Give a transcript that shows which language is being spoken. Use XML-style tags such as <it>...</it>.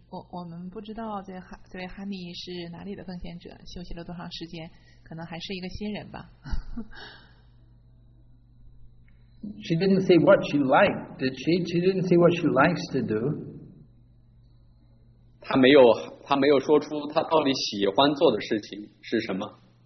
<zh>我们不知道这位哈尼是哪里的奉献者，休息了多长时间，可能还是一个新人吧。</zh> <en>She didn't say what she liked, did she? She didn't say what she likes to do.</en> <zh>她没有说出她到底喜欢做的事情是什么。</zh>